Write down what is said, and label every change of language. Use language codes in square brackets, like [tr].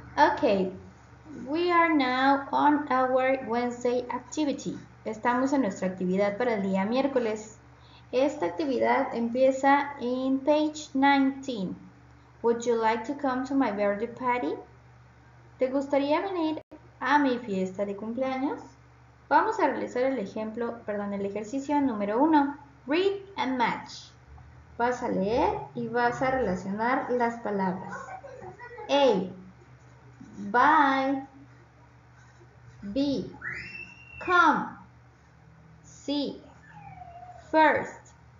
[en] Okay, we are now on our Wednesday activity. [es] Estamos en nuestra actividad para el día miércoles. Esta actividad empieza en page 19. [en] Would you like to come to my birthday party? [es] ¿Te gustaría venir a mi fiesta de cumpleaños? Vamos a realizar el ejercicio número 1. [en] Read and match. [es] Vas a leer y vas a relacionar las palabras. [en] A. Buy. B. Come. C. First.